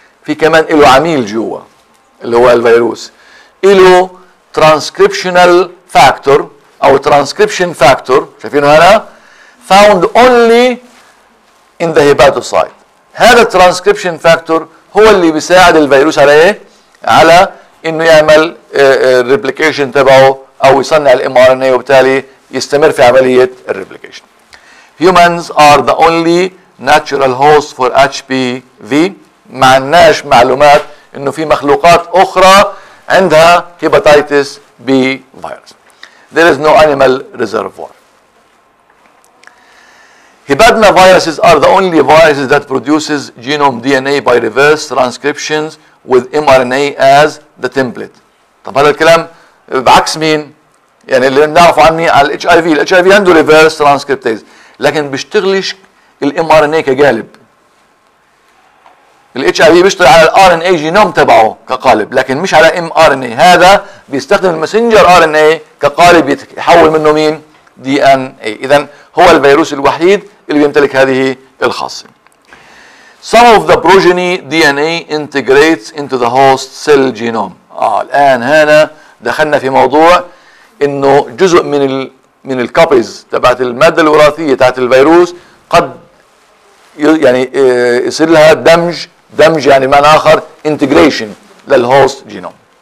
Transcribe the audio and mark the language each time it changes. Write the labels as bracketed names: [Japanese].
[Arabic] في كمان له عميل جوا اللي هو الفيروس، إله ترانسكريبشنال فاكتور أو ترانسكريبشن فاكتور، شايفينه هنا؟ [English] found only in the hepatocyte. [Arabic] هذا الترانسكريبشن فاكتور هو اللي بيساعد الفيروس على إيه؟ على إنه يعمل الريبليكيشن تبعه أو يصنع الـmRNA وبالتالي يستمر في عملية الريبليكيشن. [English] Humans are the only natural host for HPV. [Arabic] ما عندناش معلومات انه في مخلوقات اخرى عندها هيباتايتس بي فيروس. [English] There is no animal reservoir. Hepatitis viruses are the only viruses that produces genome DNA by reverse transcriptions with mRNA as the template. [Arabic] طب هذا الكلام بعكس مين؟ يعني اللي نعرف عني على HIV، HIV عنده reverse transcriptase لكن بيشتغلش mRNA كقالب. الـ HIV بيشتغل على الـ RNA جينوم تبعه كقالب لكن مش على mRNA. هذا بيستخدم المسنجر RNA كقالب يتحول منه مين؟ DNA. إذن هو الفيروس الوحيد اللي بيمتلك هذه الخاصة. [English] Some of the progeny DNA integrates into the host cell genome. [Arabic] الآن هنا دخلنا في موضوع إنه جزء من الـ copies تبعت المادة الوراثية تبعت الفيروس قد يعني يصير لها دمج، دمج يعني معنى آخر integration للهوست جينوم.